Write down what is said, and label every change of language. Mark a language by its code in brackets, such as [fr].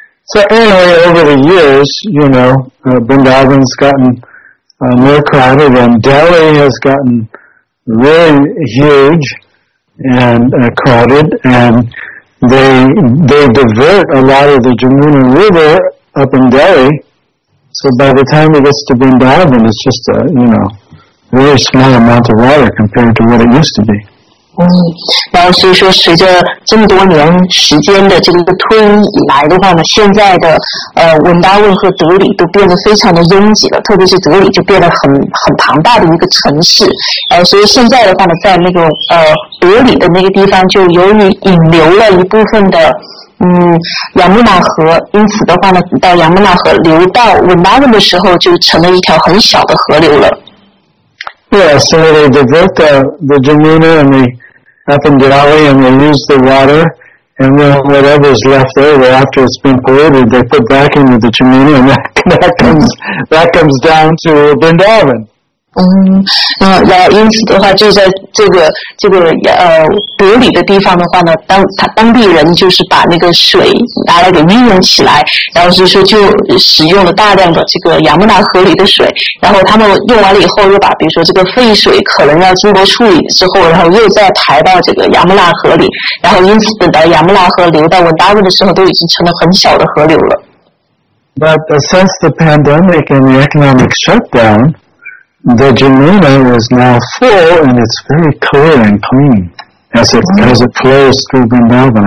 [en] So anyway, over the years, you know, Vrindavan's gotten more crowded, and Delhi has gotten really huge and crowded, and they divert a lot of the Jamuna River up in Delhi, so by the time it gets to Vrindavan, it's just a very small amount of water compared to what it used to be. [zh] 然后所以说随着这么多年时间的这个推移以来的话呢，现在的文达文和德里都变得非常的拥挤了，特别是德里就变得很庞大的一个城市，所以现在的话呢，在那个德里的那个地方就由于引流了一部分的杨木纳河，因此的话呢，到杨木纳河流到文达文的时候就成了一条很小的河流了。 [en] Yeah, so they divert the Jamuna and the up in Delhi, and they use the water, and then whatever's left over after it's been polluted, they put back into the Jamuna, and that comes down to Vrindavan. [zh] 因此的话，就在这个德里的地方的话呢，当地人就是把那个水拿来给利用起来，然后是说就使用了大量的这个亚木纳河里的水，然后他们用完了以后，又把比如说这个废水可能要经过处理之后，然后又再排到这个亚木纳河里，然后因此等到亚木纳河流到文达文的时候，都已经成了很小的河流了。 [en] But since the pandemic and the economic shutdown. The Jamuna is now full, and it's very clear and clean as it flows through Vrindavan.